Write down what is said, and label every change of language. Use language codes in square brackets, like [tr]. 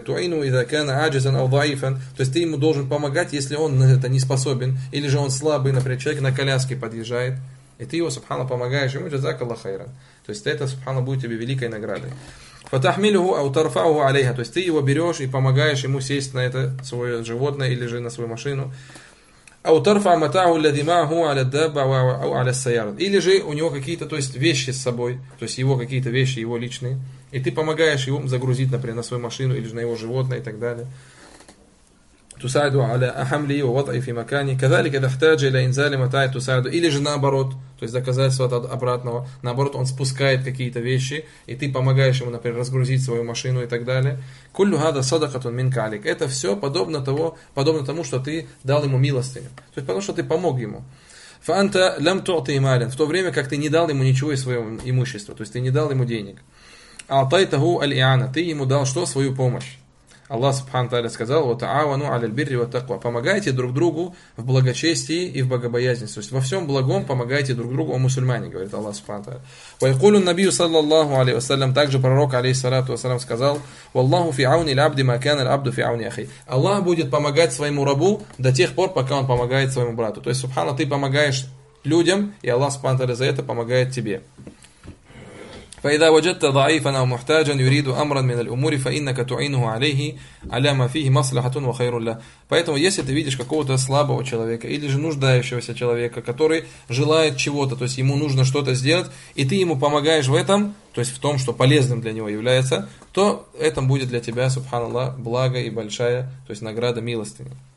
[ar] Туину иза кана аджизан аудаифан, [ru] то есть ты ему должен помогать, если он на это не способен, или же он слабый, например, человек на коляске подъезжает, и ты его, субхана, помогаешь ему, джазакаллах хайран. То есть это, субхана, будет тебе великой наградой. [ar] فتحمله أو ترفعه عليها. [ru] То есть ты его берешь и помогаешь ему сесть на это свое животное или же на свою машину. [ar] أو ترفع متاعه الذي معه على الدابة أو على السيارة. [ru] Или же у него какие-то, то есть вещи с собой, то есть его какие-то вещи, его личные, и ты помогаешь ему загрузить, например, на свою машину или же на его животное и так далее. [ar] تساعده على حمله ووضعه في مكانه. كذلك إذا احتاج إلى إنزال متاع تساعده. [ru] Или же наоборот, то есть доказательство от обратного. Наоборот, он спускает какие-то вещи, и ты помогаешь ему, например, разгрузить свою машину и так далее. [ar] كُلُّ هَذَا صَدَقَةٌ مِنْكَ عَلَيْكَ. [ru] Это все подобно тому, что ты дал ему милостыню. То есть потому, что ты помог ему. [ar] Фанта лям туати имален, [ru] в то время как ты не дал ему ничего из своего имущества, то есть ты не дал ему денег. [ar] Алтайтаху аль-иана, [ru] ты ему дал что? Свою помощь. Аллах субхану тааля сказал: [ar] "Ва таавану аль-бирри ва таква", [ru] помогайте друг другу в благочестии и в богобоязни. То есть во всем благом помогайте друг другу, о мусульмане, говорит Аллах субхану тааля. [ar] Ва якулу ан-набию саллаллаху алейхи ва саллям, [ru] также пророк алейхиссалату ва саллям сказал: [ar] "Валлаху фи ауни аль-абди ма кана аль-абду фи ауни ахи". [ru] Аллах будет помогать своему рабу до тех пор, пока он помогает своему брату. То есть субхана, ты помогаешь людям, и Аллах субхану тааля за это помогает тебе. [ar] فإذا وجدت ضعيفا أو محتاجا يريد أمرا من الأمور فإنك تعينه عليه على ما فيه مصلحة وخير له. [ru] Поэтому если ты видишь какого-то слабого человека или же нуждающегося человека, который желает чего-то, то есть ему нужно что-то сделать, и ты ему помогаешь в этом, то есть в том, что полезным для него является, то это будет для тебя, субханаллах, благо и большая, то есть награда милостыня.